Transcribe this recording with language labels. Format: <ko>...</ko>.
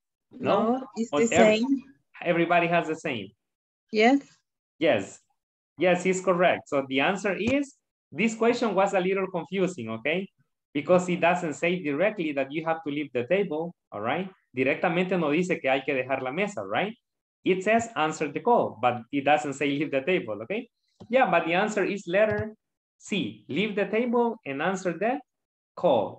<en>No, it's the same. Everybody has the same. Yes. Yes, it's correct. So the answer is, this question was a little confusing, okay? Because it doesn't say directly that you have to leave the table, all right?</en> <es>Directamente no dice que hay que dejar la mesa, right?</es> <en>It says answer the call, but it doesn't say leave the table, okay? Yeah, but the answer is letter C, leave the table and answer the call.</en>